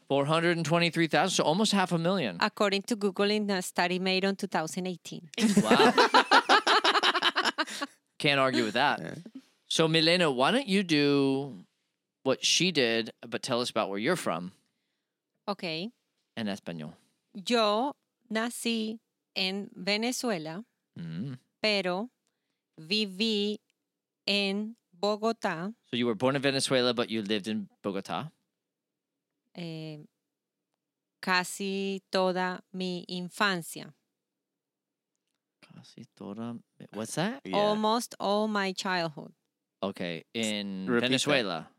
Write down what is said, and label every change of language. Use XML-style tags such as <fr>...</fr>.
<en>423,000. So almost 500,000. According to Google in a study made in 2018. Wow. Can't argue with that. Yeah. So, Milena, why don't you do what she did, but tell us about where you're from. Okay.</en> <es>En español. Yo nací en Venezuela, pero viví en Bogotá.</es> <en>So you were born in Venezuela, but you lived in Bogotá?</en> <es>Casi toda mi infancia. Casi toda...</es> <en>What's that? Yeah. Almost all my childhood. Okay, in Venezuela.</en>